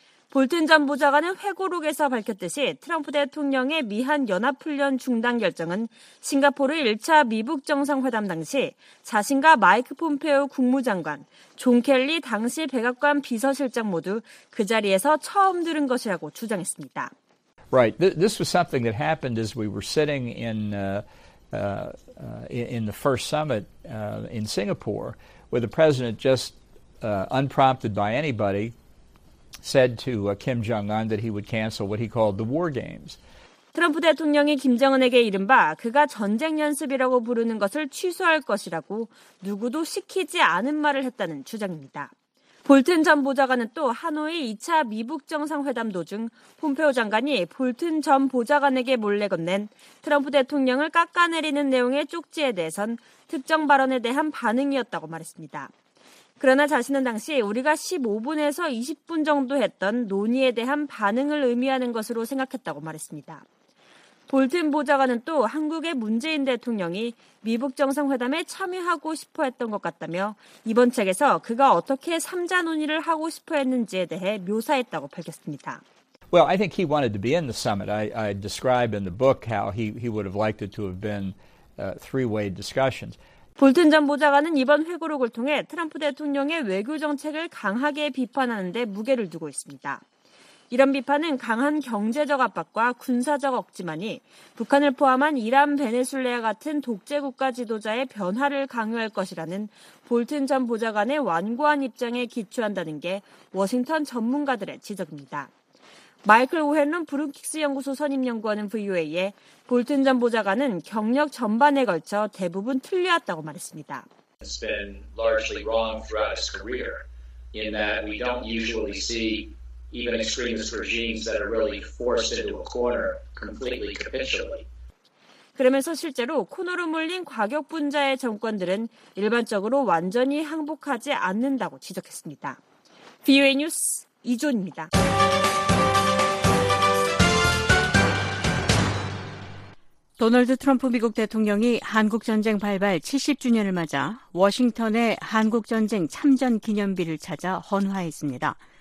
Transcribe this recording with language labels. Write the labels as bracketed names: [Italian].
[Korean] 볼튼 전 보좌관은 회고록에서 밝혔듯이 트럼프 대통령의 미한 연합훈련 중단 결정은 싱가포르 1차 미북 정상회담 당시 자신과 마이크 폼페오 국무장관, 존 켈리 당시 백악관 비서실장 모두 그 자리에서 처음 들은 것이라고 주장했습니다. [English] Right. This was something that happened as we were sitting in the first summit in Singapore where the president just unprompted by anybody said to Kim Jong-un that he would cancel what he called the war games. [Korean] 트럼프 대통령이 김정은에게 이른바 그가 전쟁 연습이라고 부르는 것을 취소할 것이라고 누구도 시키지 않은 말을 했다는 주장입니다. 볼튼 전 보좌관은 또 하노이 2차 미북 정상회담 도중 폼페오 장관이 볼튼 전 보좌관에게 몰래 건넨 트럼프 대통령을 깎아내리는 내용의 쪽지에 대해선 특정 발언에 대한 반응이었다고 말했습니다. 그러나 자신은 당시 우리가 15분에서 20분 정도 했던 논의에 대한 반응을 의미하는 것으로 생각했다고 말했습니다. 볼튼 보좌관은 또 한국의 문재인 대통령이 미북 정상회담에 참여하고 싶어 했던 것 같다며 이번 책에서 그가 어떻게 3자 논의를 하고 싶어 했는지에 대해 묘사했다고 밝혔습니다. [English] Well, I think he wanted to be in the summit. I describe in the book how he would have liked it to have been three-way discussions. [Korean] 볼튼 전 보좌관은 이번 회고록을 통해 트럼프 대통령의 외교 정책을 강하게 비판하는 데 무게를 두고 있습니다. 이런 비판은 강한 경제적 압박과 군사적 억지만이 북한을 포함한 이란, 베네수엘라 같은 독재 국가 지도자의 변화를 강요할 것이라는 볼튼 전 보좌관의 완고한 입장에 기초한다는 게 워싱턴 전문가들의 지적입니다. 마이클 오헨론 브룬킥스 연구소 선임연구원은 VOA에 볼튼 전 보좌관은 경력 전반에 걸쳐 대부분 틀려왔다고 말했습니다. [English] It's been largely wrong throughout his career in that we don't usually see even extremist regimes that are really forced into a corner completely capitulate. [Korean] 그러면서 실제로 코너로 몰린 과격분자의 정권들은 일반적으로 완전히 항복하지 않는다고 지적했습니다. VOA 뉴스 이존입니다. 도널드 트럼프 미국 대통령이 한국전쟁 발발 70주년을 맞아 워싱턴의 한국전쟁 참전 기념비를 찾아 헌화했습니다.